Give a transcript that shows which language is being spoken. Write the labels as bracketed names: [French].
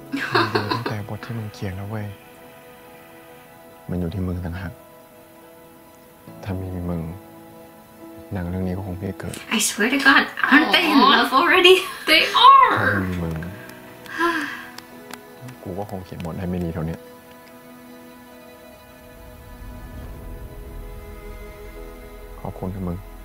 [Thai] มันดูตั้งแต่บทที่มึงเขียนแล้วเว้ย มันอยู่ที่มึงต่างหากถ้าไม่มีมึงหนังเรื่องนี้ก็คงไม่เกิด [English] I swear to God aren't they in love already they are [Thai] ถ้าไม่มีมึงกูก็คงเขียนบทให้ไม่ดีเท่านี้ขอบคุณที่มึง